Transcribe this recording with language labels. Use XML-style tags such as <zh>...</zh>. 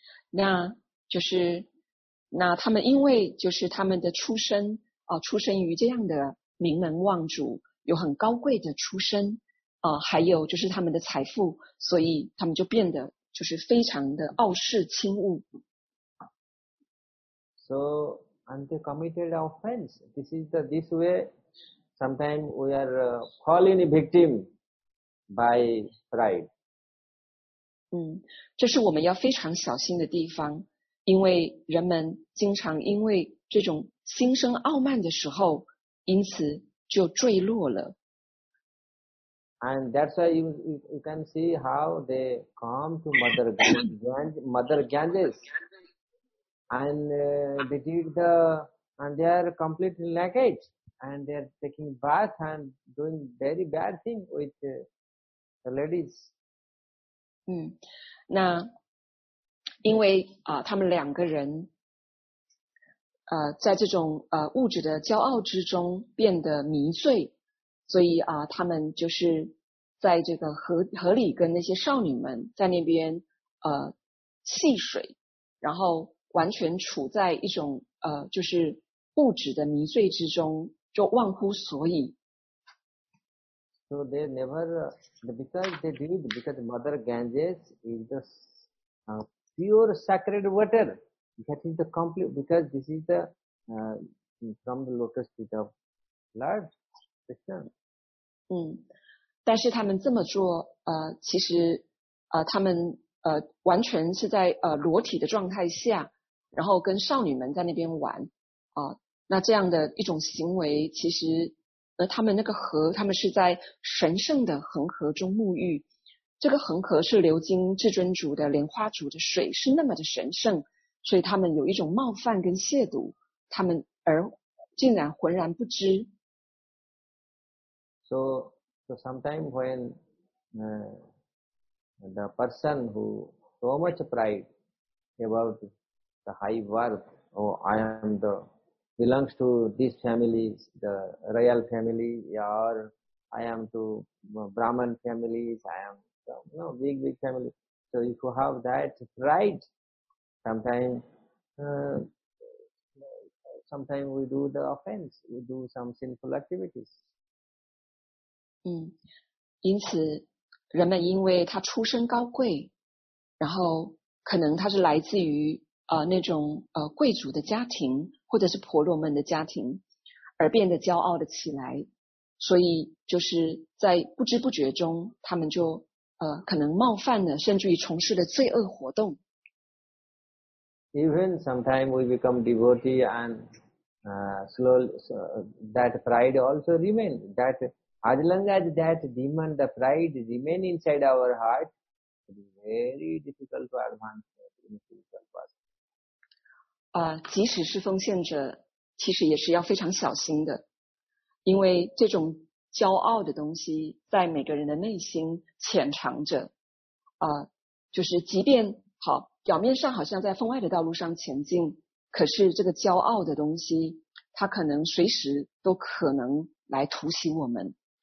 <zh>那就是那他们因为就是他们的出身出身于这样的名门望族，有很高贵的出身还有就是他们的财富，所以他们就变得就是非常的傲视轻侮。</zh> <en>So, and they committed offense. This way, sometimes we are falling a victim by pride.</en> <zh>这是我们要非常小心的地方，因为人们经常因为这种心生傲慢的时候，因此就坠落了。</zh> <en>And that's why you can see how they come to Mother Ganges, and they are completely naked, and they are taking bath and doing very bad thing with the ladies.</en> <zh>那因为他们两个人在这种物质的骄傲之中变得迷醉，所以他们就是在这个河里跟那些少女们在那边戏水，然后完全处在一种就是物质的迷醉之中，就忘乎所以。</zh> <en>So they never, because they did, because Mother Ganges is the pure sacred water. That is the complete, because this is the, from the lotus feet of Lord Krishna.</en> <zh>但是他们这么做其实他们完全是在裸体的状态下，然后跟少女们在那边玩那这样的一种行为，其实，他们那个河，他们是在神圣的恒河中沐浴。这个恒河是流经至尊主的莲花主的水，是那么的神圣，所以他们有一种冒犯跟亵渎，他们而竟然浑然不知。</zh> <en>So sometimes when the person who so much pride about the high worth, oh, I am the belongs to this family, the royal family, or I am to Brahman families, I am so, you know, big big family. So if you have that pride, sometimes we do the offense, we do some sinful activities.</en> <zh>因此人们因为他出身高贵，然后可能他是来自于那种贵族的家庭或者是婆罗门的家庭，而变得骄傲了起来。所以就是在不知不觉中，他们就可能冒犯了，甚至于从事了罪恶活动。</zh> <en>Even sometimes we become devotee and slowly so that pride also remains. That as long as that demon, the pride, remain inside our heart, it is very difficult to advance in spiritual path.</en> <zh>即使是奉献者，其实也是要非常小心的，因为这种骄傲的东西在每个人的内心潜藏着。就是即便好，表面上好像在分外的道路上前进，可是这个骄傲的东西，它可能随时都可能来突袭我们。</zh>